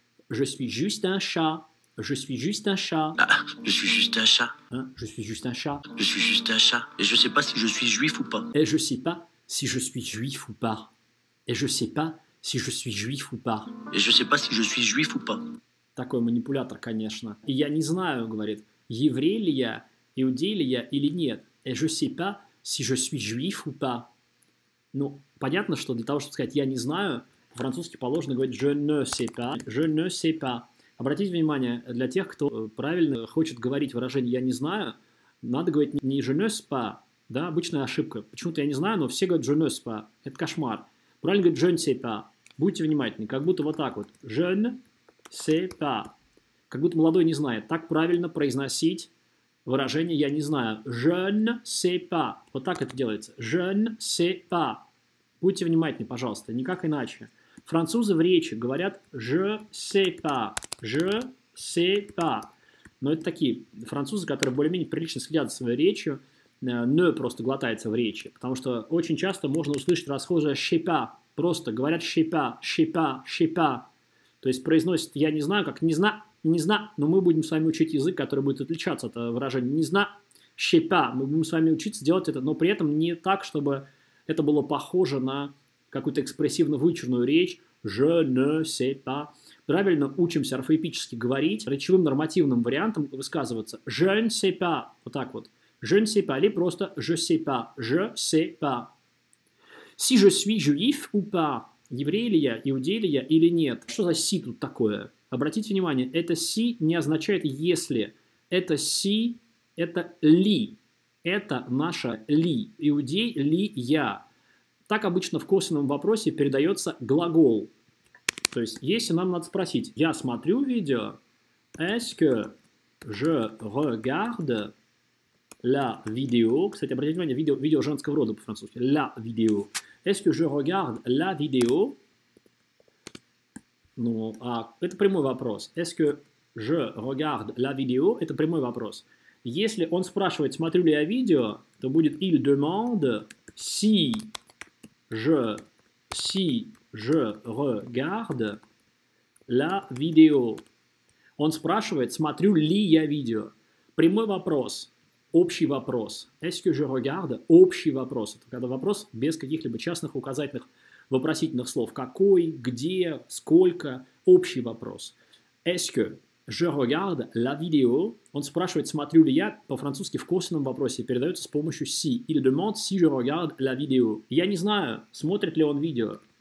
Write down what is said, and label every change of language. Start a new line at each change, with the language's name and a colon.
French: «Je suis juste un chat». «Je suis juste un chat». «Je suis juste un chat». «Je suis juste un chat». «Je suis juste un chat». «Et je sais pas si je suis juif ou pas». «Et je sais pas si je suis juif ou pas». «Et je sais pas si je suis juif ou pas». «Et je sais pas si je suis juif ou pas».
Russian: Такой манипулятор, конечно. И я не знаю, говорит, еврей ли я, иудей ли я или нет.
French: Et je sais pas si je suis juif ou pas.
Russian: Ну, понятно, что для того, чтобы сказать «я не знаю», по-французски положено говорить
French: «je ne sais pas». «Je ne sais pas».
Russian: Обратите внимание, для тех, кто правильно хочет говорить выражение «я не знаю», надо говорить не
French: «je ne sais pas»,
Russian: да, обычная ошибка. Почему-то «я не знаю», но все говорят
French: «je ne sais pas».
Russian: Это кошмар. Правильно говорить
French: «je ne sais pas».
Russian: Будьте внимательны, как будто вот так вот.
French: «Je ne sais pas».
Russian: Как будто молодой не знает. Так правильно произносить выражение «я не знаю».
French: «Je ne sais pas».
Russian: Вот так это делается.
French: «Je ne sais pas».
Russian: Будьте внимательны, пожалуйста, никак иначе. Французы в речи говорят
French: «je sais pas». «Je sais pas».
Russian: Но это такие французы, которые более-менее прилично следят за своей речью. «Ne» просто глотается в речи. Потому что очень часто можно услышать расхожее
French: «je sais pas».
Russian: Просто говорят
French: «je sais pas»,
Russian: «je sais pas», «je sais pas». То есть произносит «я не знаю», как «не зна», «не зна». Но мы будем с вами учить язык, который будет отличаться от выражения «не зна»,
French: «je sais pas».
Russian: Мы будем с вами учиться делать это, но при этом не так, чтобы это было похоже на какую-то экспрессивно-вычурную речь
French: «je ne sais pas».
Russian: Правильно учимся орфоэпически говорить, речевым нормативным вариантом высказываться
French: «je ne sais pas».
Russian: Вот так вот.
French: «Je ne sais pas»
Russian: или просто
French: «je sais pas». «Je sais pas». «Si je suis juif ou pas».
Russian: Еврей ли я, иудей ли я или нет? Что за «си» тут такое? Обратите внимание, это «си» не означает «если». Это «си» — это «ли». Это наше «ли». Иудей ли я? Так обычно в косвенном вопросе передается глагол. То есть, если нам надо спросить «я смотрю видео»,
French: «est-ce que je regarde la vidéo?»
Russian: Кстати, обратите внимание, видео, видео женского рода по-французски.
French: «La vidéo». Est-ce que je regarde la vidéo?
Russian: Ну, это прямой вопрос.
French: Est-ce que je regarde la vidéo?
Russian: Это прямой вопрос. Если он спрашивает, смотрю ли я видео, то будет
French: il demande si je regarde la vidéo.
Russian: Он спрашивает, смотрю ли я видео. Прямой вопрос, общий вопрос.
French: Est-ce que je regarde?
Russian: Общий вопрос. Это когда вопрос без каких-либо частных указательных вопросительных слов. Какой, где, сколько. Общий вопрос.
French: Est-ce que je regarde la vidéo?
Russian: Он спрашивает, смотрю ли я, по-французски в косвенном вопросе, передается с помощью si.
French: Il demande si je regarde la vidéo.
Russian: Я не знаю, смотрит ли он видео.